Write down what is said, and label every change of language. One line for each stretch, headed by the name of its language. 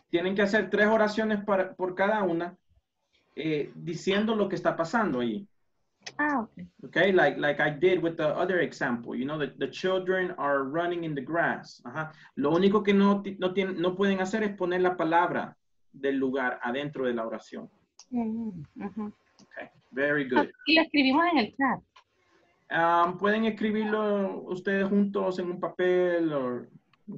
Spanish: Tienen que hacer tres oraciones por cada una diciendo lo que está pasando ahí.
English: Ah, okay. Okay, like I did with the other example. You know, the children are running in the grass.
Spanish: Ajá. Lo único que no pueden hacer es poner la palabra del lugar adentro de la oración. Mm-hmm.
English: Okay, very good.
Spanish: ¿Y lo escribimos en el chat? Pueden escribirlo ustedes juntos en un papel o...